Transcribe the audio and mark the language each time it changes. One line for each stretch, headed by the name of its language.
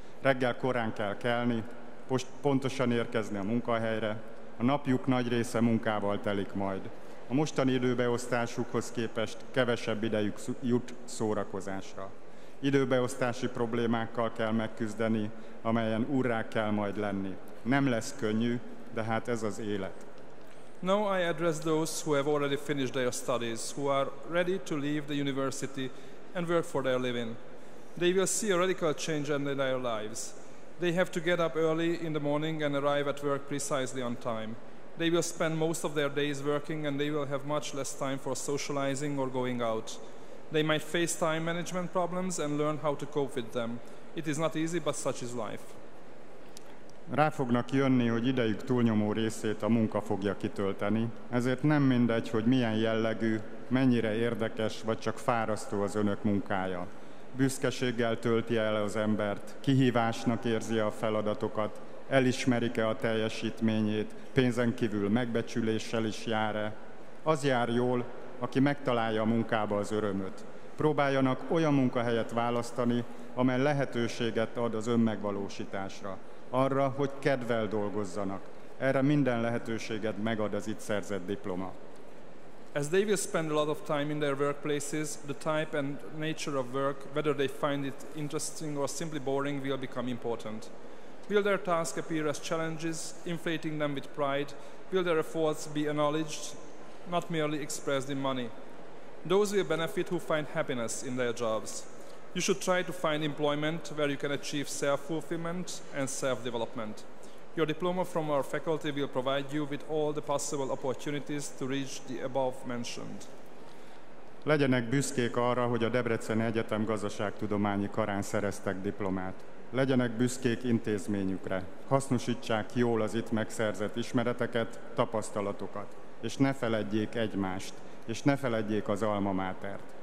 Hungarian: Reggel korán kell kelni, pontosan érkezni a munkahelyre, a napjuk nagy része munkával telik majd. A mostani időbeosztásukhoz képest kevesebb idejük jut szórakozásra. Időbeosztási problémákkal kell megküzdeni, amelyen úrrá kell majd lenni. Nem lesz könnyű, de hát ez az élet.
English: Now I address those who have already finished their studies, who are ready to leave the university and work for their living. They will see a radical change in their lives. They have to get up early in the morning and arrive at work precisely on time. They will spend most of their days working and they will have much less time for socializing or going out. They might face time management problems and learn how to cope with them. It is not easy, but such is life.
Hungarian: Rá fognak jönni, hogy idejük túlnyomó részét a munka fogja kitölteni, ezért nem mindegy, hogy milyen jellegű, mennyire érdekes vagy csak fárasztó az önök munkája. Büszkeséggel tölti el az embert, kihívásnak érzi a feladatokat, elismerik-e a teljesítményét, pénzen kívül megbecsüléssel is jár-e. Az jár jól, aki megtalálja a munkába az örömöt. Próbáljanak olyan munkahelyet választani, amely lehetőséget ad az önmegvalósításra. Arra, hogy kedvel dolgozzanak. Erre minden lehetőséget megad az itt szerzett diploma.
English: As they will spend a lot of time in their workplaces, the type and nature of work, whether they find it interesting or simply boring, will become important. Will their tasks appear as challenges, inflating them with pride? Will their efforts be acknowledged, not merely expressed in money? Those will benefit who find happiness in their jobs. You should try to find employment where you can achieve self-fulfillment and self-development. Your diploma from our faculty will provide you with all the possible opportunities to reach the above mentioned.
Hungarian: Legyenek büszkék arra, hogy a Debreceni Egyetem gazdaságtudományi karán szereztek diplomát. Legyenek büszkék intézményükre. Hasznosítsák jól az itt megszerzett ismereteket, tapasztalatokat. És ne feledjék egymást, és ne feledjék az alma mátert.